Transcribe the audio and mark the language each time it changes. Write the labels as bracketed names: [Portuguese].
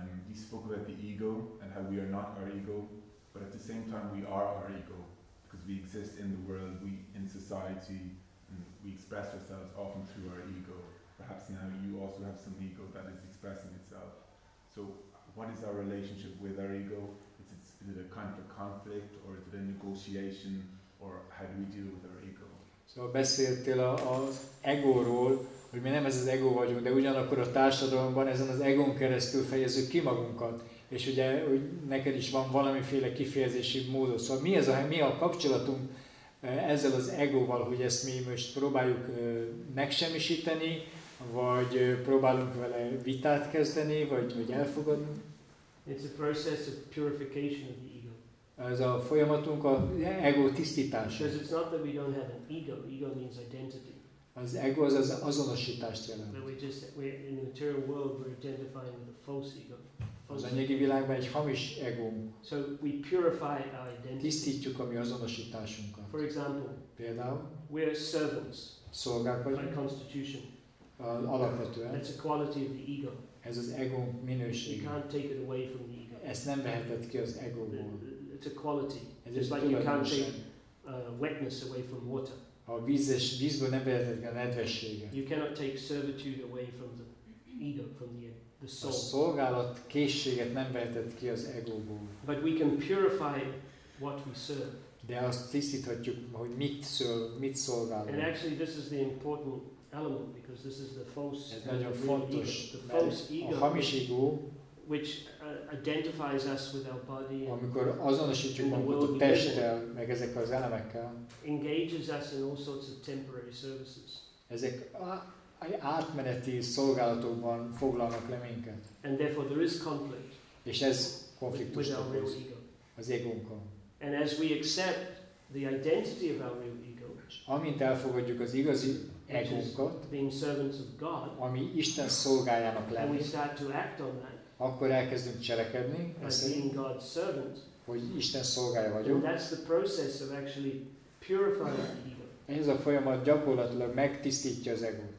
[English] You spoke about the ego and how we are not our ego, but at the same time we are our ego because we exist in the world, we in society, and we express ourselves often through our ego. Perhaps now you also have some ego that is expressing itself. So what is our relationship with our ego? Is it a kind of a conflict, or is it a negotiation, or how do we deal with our ego? [Hungarian] So beszéltél az egóról, hogy mi nem ez az ego vagyunk, de ugyanakkor a társadalomban ezen az egón keresztül fejezzük ki magunkat, és ugye hogy neked is van valamiféle kifejezési módod. Szóval mi ez a, mi a kapcsolatunk ezzel az egóval, hogy ezt mi most próbáljuk megsemmisíteni, vagy próbálunk vele vitát kezdeni, vagy hogy elfogadni? [English] It's a process of purification of the ego. [Hungarian] Ez a folyamatunk a ego tisztítása. [English] Because it's not that we don't have an ego. Ego means identity. [Hungarian] Az ego az az azonosítást jelent. [English] But we're in the material world, we're identifying with a false ego. [Hungarian] Az anyagi világban egy hamis ego. [English] So we purify our identity. [Hungarian] Tisztítjuk a mi azonosításunkat. [English] For example, [Hungarian] például, [English] we're servants. [Hungarian] Szolgák vagyunk. [English] By constitution. [Hungarian] Alapvetően. [English] That's a quality of the ego. [Hungarian] Ez az ego minőség. [English] You can't take it away from the ego. [Hungarian] Ezt nem veheted ki az egóból. [English] It's a quality. [Hungarian] Ez [English] just like you can't take wetness away from water. [Hungarian] A vízből nem veheted ki a nedvességet. [English] You cannot take servitude away from the ego, from the soul. [Hungarian] A szolgálat készséget nem veheted ki az egóból. [English] But we can purify what we serve. [Hungarian] De azt tisztíthatjuk, hogy mit szolgálunk. [English] And actually this is the important element, because this is the false [Hungarian] ego. Ez nagyon fontos, [English] the false ego, [Hungarian] a hamis ego, [English] which identifies us with our body, [Hungarian] amikor azonosítjuk magunkat a testtel, meg ezekkel az elemekkel, [English] engages us in all sorts of temporary services. [Hungarian] Ezek átmeneti szolgálatokban foglalnak le minket. [English] And therefore there is conflict. [Hungarian] És ez konfliktust okoz az egónkkal. [English] And as we accept the identity of our real ego, [Hungarian] amint elfogadjuk az igazi egónkat, [English] being servants of God, [Hungarian] ami Isten szolgájának lenni, [English] we start to act on that, [Hungarian] akkor elkezdünk cselekedni, [English] being God's servant, [Hungarian] hogy Isten szolgája vagyunk. [English] That's the process of actually purifying the ego. [Hungarian] Ez a folyamat gyakorlatilag megtisztítja az egót.